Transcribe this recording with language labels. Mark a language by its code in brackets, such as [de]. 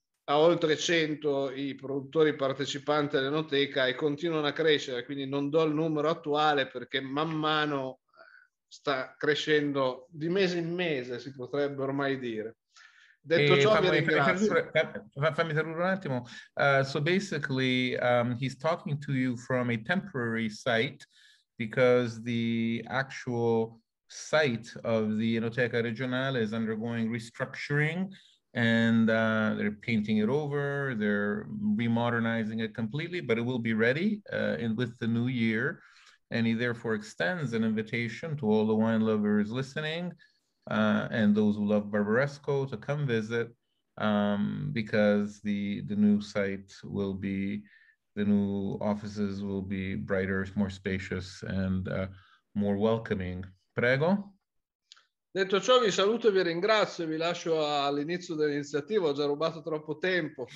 [it] a oltre 100 i produttori partecipanti all'enoteca e continuano a crescere, quindi non do il numero attuale perché man mano sta crescendo di mese in mese, si potrebbe ormai dire. Detto ciò, fammi interrompere un attimo. [en] So basically he's talking to you from a temporary site because the actual site of the Enoteca Regionale is undergoing restructuring. And they're painting it over, they're remodernizing it completely, but it will be ready with the new year. And he therefore extends an invitation to all the wine lovers listening and those who love Barbaresco to come visit because the new site will be, the new offices will be brighter, more spacious and more welcoming. [it] Prego. Detto ciò, vi saluto e vi ringrazio. Vi lascio all'inizio dell'iniziativa, ho già rubato troppo tempo.